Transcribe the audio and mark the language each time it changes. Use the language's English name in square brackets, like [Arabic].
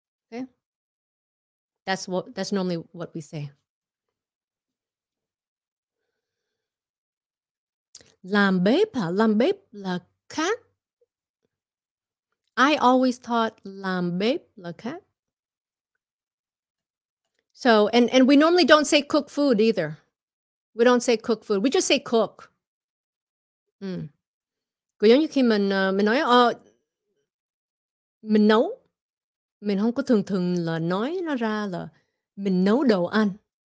[English] Okay. That's normally what we say. [Vietnamese] Làm bếp là khác. [English] I always thought [Vietnamese] làm bếp là khác. [English] So, and we normally don't say cook food either. We don't say cook food. We just say cook. [Vietnamese] Cứ giống như khi mình nói mình nấu. Mình không có thường thường là nói nó ra là mình nấu đồ ăn.